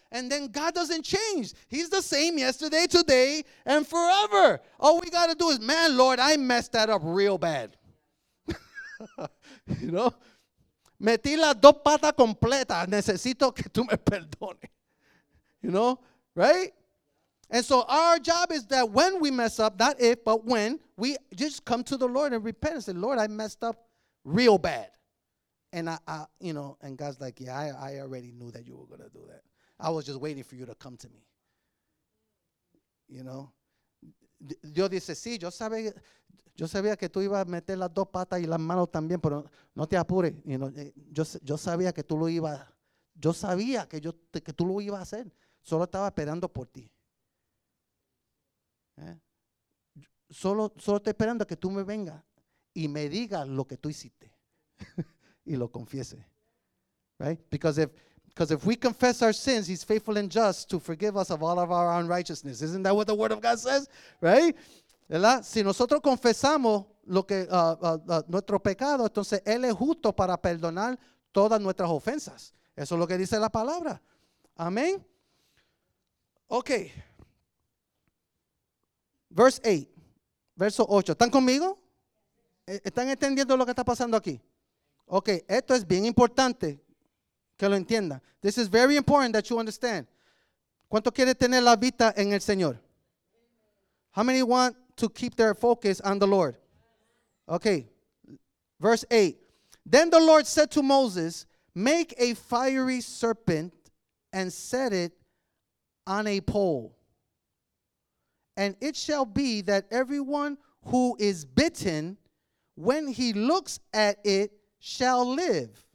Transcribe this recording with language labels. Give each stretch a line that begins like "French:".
English: And then God doesn't change. He's the same yesterday, today, and forever. All we got to do is, man, Lord, I messed that up real bad. You know?
Spanish: Metí las dos patas completas. Necesito que tú me perdones.
English: You know? Right? And so our job is that when we mess up, not if, but when, we just come to the Lord and repent and say, Lord, I messed up real bad. And I, you know, and God's like, yeah, I already knew that you were going to do that. I was just waiting for you to come to me. You know?
Spanish: Dios dice, sí, yo sabía que tú ibas a meter las dos patas y las manos también, pero no te apures.
English: You know,
Spanish: yo sabía que tú lo ibas, yo sabía que yo que tú lo ibas a hacer. Solo estaba esperando por ti. Solo estoy esperando que tú me vengas y me digas lo que tú hiciste. Y lo confiese,
English: right? Because if we confess our sins, he's faithful and just to forgive us of all of our unrighteousness. Isn't that what the word of God says? Right?
Spanish: ¿Verdad? Si nosotros confesamos lo que nuestro pecado, entonces él es justo para perdonar todas nuestras ofensas. Eso es lo que dice la palabra. Amén. Okay. Verso 8. ¿Están conmigo? ¿Están entendiendo lo que está pasando aquí? Ok, esto es bien importante que lo entienda.
English: This is very important that you understand.
Spanish: ¿Cuánto quiere tener la vista en el Señor?
English: How many want to keep their focus on the Lord? Ok, verse 8. Then the Lord said to Moses, make a fiery serpent and set it on a pole. And it shall be that everyone who is bitten, when he looks at it, shall live.